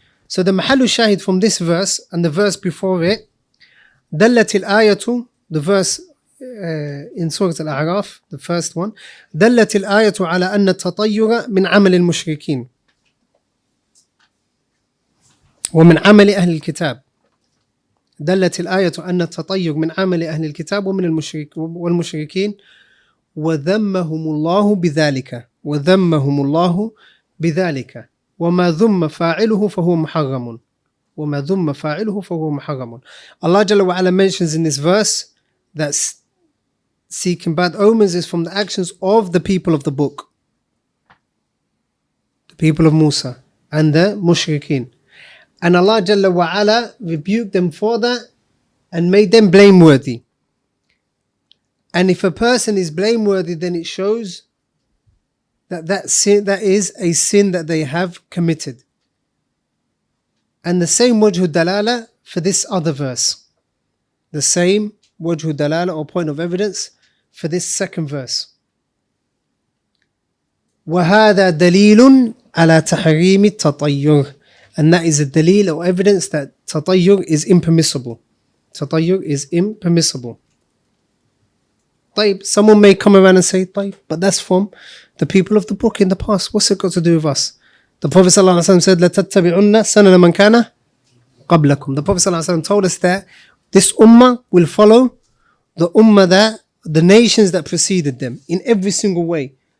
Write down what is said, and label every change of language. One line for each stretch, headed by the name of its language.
English: So the Mahalu Shahid from this verse and the verse before it,
Arabic: دلت الآية,
English: the verse in Surah Al-A'raf, the first one,
Arabic: دلت الآية على أن التطير من عمل المشركين ومن عمل أهل الكتاب. دلت الآية أن التطير من عمل أهل الكتاب ومن والمشركين وذمهم الله بذلك وذمهم الله بذلك وَمَا ذُمَّ فَاعِلُهُ فَهُوَ مُحَرَّمٌ وَمَا ذُمَّ فَاعِلُهُ فَهُوَ مُحَرَّمٌ.
English: Allah Jalla wa'ala mentions in this verse that seeking bad omens is from the actions of the people of the book, the people of Musa and the mushrikeen. And Allah Jalla wa'ala rebuked them for that and made them blameworthy. And if a person is blameworthy, then it shows that sin, that is a sin that they have committed. And the same wajhu dalala for this other verse. The same wajhu dalala or point of evidence for this second verse.
Arabic: وَهَذَا دَلِيلٌ عَلَىٰ تَحْرِيمِ التَّطَيُّرِ.
English: And that is a dalil or evidence that tatayyur is impermissible. Tatayyur is impermissible. طيب, someone may come around and say, طيب, but that's from the people of the book in the past. What's it got to do with us? The Prophet ﷺ said,
Arabic: لَتَتَّبِعُنَّ سَنَنَ مَنْ كَانَ قَبْلَكُمْ.
English: The Prophet ﷺ told us that this ummah will follow the ummah that the nations that preceded them in every single way.